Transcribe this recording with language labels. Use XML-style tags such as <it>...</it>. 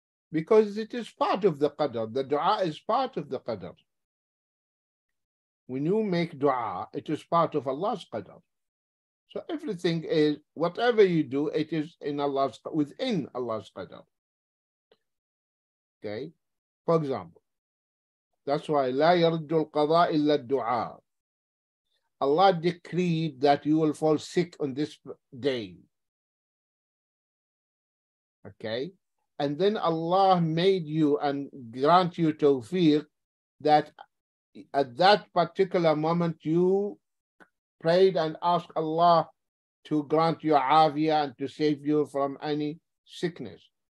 <en>Because it is part of the qadr. The dua is part of the qadr. When you make dua, it is part of Allah's qadr. So everything is, whatever you do, it is within Allah's qadr. Okay? For example, that's why</en> <ar>لا يرد القضاء إلا الدعاء.</ar> <en>Allah decreed that you will fall sick on this day. Okay? And then Allah made you and grant you tawfiq that at that particular moment you prayed and asked Allah to grant you afia and to save you from any sickness.</en>